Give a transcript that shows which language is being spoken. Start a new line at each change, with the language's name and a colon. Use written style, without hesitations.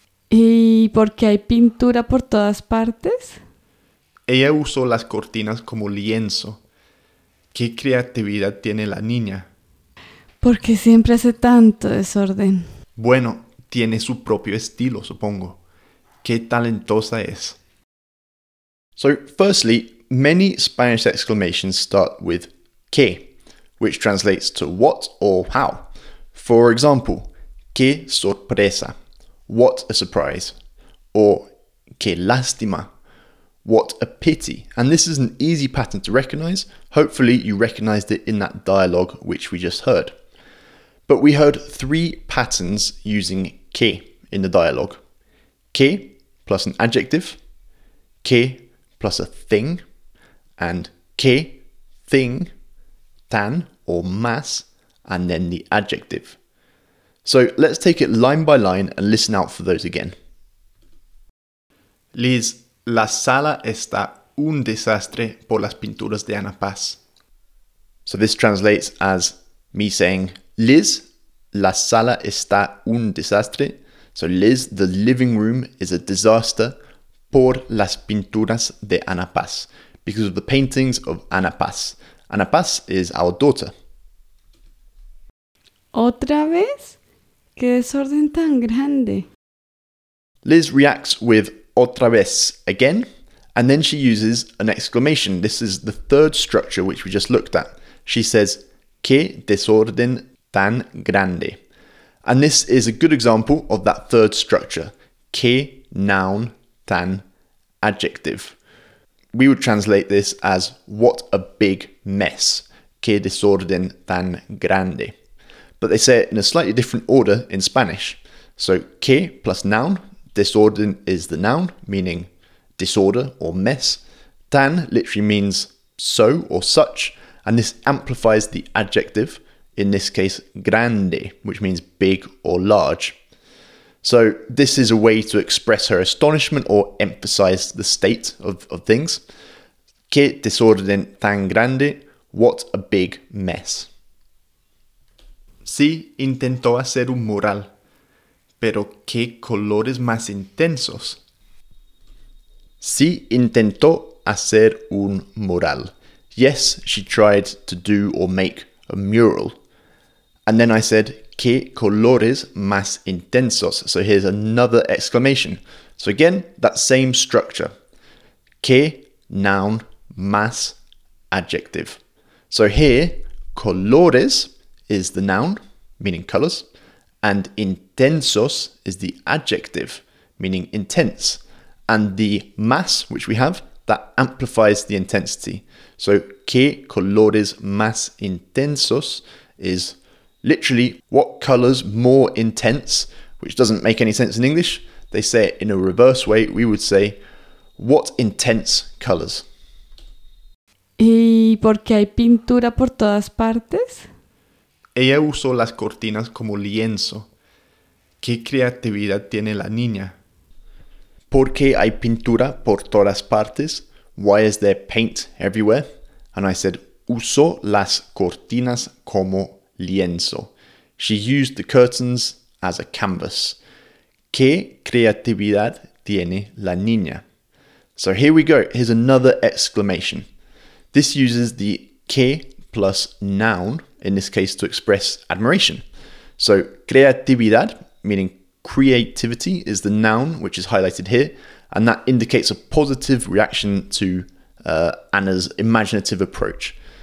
Spanish: ¿Y por qué hay pintura por todas partes? Ella usó las cortinas como lienzo. ¡Qué creatividad tiene la niña! ¿Por qué siempre hace tanto desorden? Bueno, tiene su propio estilo, supongo. ¡Qué talentosa es!
English: So, firstly, many Spanish exclamations start with que, which translates to what or how. For example,
Spanish: qué sorpresa,
English: what a surprise, or
Spanish: qué lástima,
English: what a pity. And this is an easy pattern to recognize. Hopefully you recognized it in that dialogue which we just heard. But we heard three patterns using que in the dialogue. Que plus an adjective, que plus a thing, and que, thing, tan, or más, and then the adjective. So let's take it line by line and listen out for those again.
Spanish: Liz, la sala está un desastre por las pinturas de Ana Paz.
English: So this translates as me saying, Liz,
Spanish: la sala está un desastre.
English: So Liz, the living room is a disaster
Spanish: por las pinturas de Ana Paz,
English: because of the paintings of Ana Paz. Ana Paz is our daughter.
Spanish: ¿Otra vez? ¿Qué desorden tan grande?
English: Liz reacts with
Spanish: otra vez,
English: again, and then she uses an exclamation. This is the third structure which we just looked at. She says,
Spanish: ¿qué desorden tan grande?
English: And this is a good example of that third structure, ¿qué noun tan adjective? We would translate this as, what a big mess.
Spanish: Qué desorden tan grande.
English: but they say it in a slightly different order in Spanish. So que plus noun, desorden is the noun, meaning disorder or mess. Tan literally means so or such, and this amplifies the adjective, in this case, grande, which means big or large. So this is a way to express her astonishment or emphasize the state of things.
Spanish: Qué desorden tan grande,
English: what a big mess.
Spanish: Sí, intentó hacer un mural, pero qué colores más intensos. Sí, intentó hacer un mural.
English: Yes, she tried to do or make a mural. And then I said,
Spanish: ¿qué colores más intensos?
English: So here's another exclamation. So again, that same structure. ¿Qué noun más adjective? So here, colores is the noun, meaning colors, and intensos is the adjective, meaning intense. And the más, which we have, that amplifies the intensity. So
Spanish: ¿qué colores más intensos
English: is literally, what colors more intense, which doesn't make any sense in English. They say it in a reverse way. We would say, what intense colors.
Spanish: ¿Y por qué hay pintura por todas partes? Ella usó las cortinas como lienzo. ¿Qué creatividad tiene la niña? ¿Por qué hay pintura por todas partes?
English: Why is there paint everywhere? And I said,
Spanish: usó las cortinas como lienzo.
English: She used the curtains as a canvas.
Spanish: ¿Qué creatividad tiene la niña?
English: So here we go. Here's another exclamation. This uses the que plus noun, in this case to express admiration. So creatividad, meaning creativity, is the noun which is highlighted here, and that indicates a positive reaction to Anna's imaginative approach.